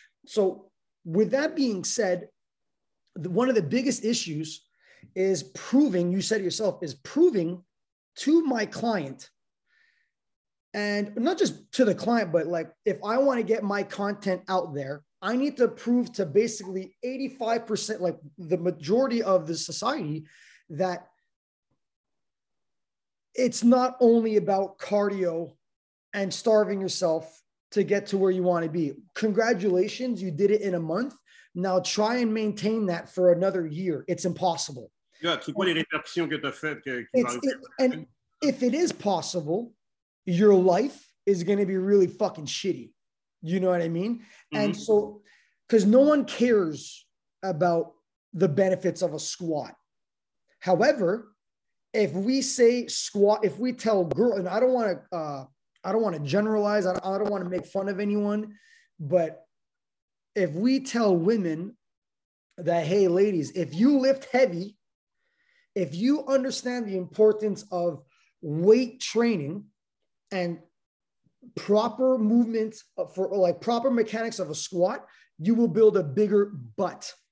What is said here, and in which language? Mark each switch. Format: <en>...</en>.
<en>So with that being said, one of the biggest issues is proving, you said it yourself, is proving to my client, and not just to the client, but like, if I want to get my content out there, I need to prove to basically 85%, like the majority of the society, that it's not only about cardio and starving yourself to get to where you want to be. Congratulations, you did it in a month. Now try and maintain that for another year. It's impossible.</en> <fr>Yeah, c'est quoi les répercussions que tu as fait que</fr> <en>and if it is possible, your life is going to be really fucking shitty. You know what I mean? Mm-hmm. And so, because no one cares about the benefits of a squat. However, if we say squat, if we tell girl, and I don't want to generalize, I don't want to make fun of anyone, but if we tell women that, hey, ladies, if you lift heavy, if you understand the importance of weight training and proper movement for like proper mechanics of a squat, you will build a bigger butt.</en>